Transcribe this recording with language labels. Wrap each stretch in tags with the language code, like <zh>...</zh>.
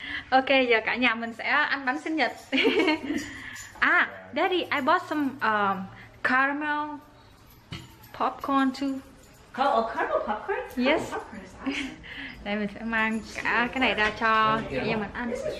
<vi>Ok, giờ cả nhà mình sẽ ăn bánh sinh nhật.</vi> <en>À, Daddy, I bought some caramel popcorn too. Oh, a caramel popcorn? Yes. Caramel popcorn is awesome.</en> <vi>Đây, mình sẽ mang cả cái này ra cho cả nhà mình ăn.</vi>